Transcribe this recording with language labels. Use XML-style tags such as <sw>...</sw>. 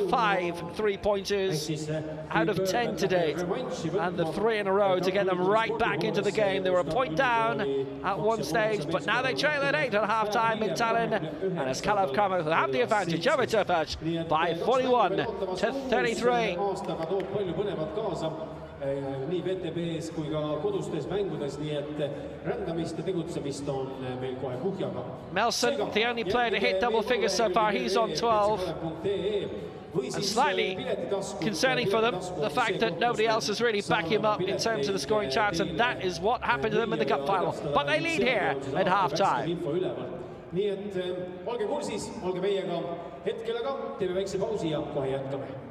<en>5 3-pointers out of 10 to date. And the 3 in a row to get them right back into the game. They were a point down at one stage, but now they trail at 8 at halftime in Tallinn. And it's Kalev Cramo who have the advantage over Tofas by 41 to 33.</en> <et>Toob palju põnevat kaasa nii VTB-s kui ka kodustes mängudes, nii et rändamist ja tegutsemist on meil kohe kuhjaga.</et> <en>Melson, the only player to hit double figures so far, he's on 12. And slightly concerning for them, the fact that nobody else has really backed him up in terms of the scoring chance, and that is what happened to them in the cup final. But they lead here at halftime.</en> <et>Nii et olge kursis, olge meiega hetkel aga, teeme väikse pausi ja kohe jätkame.</et>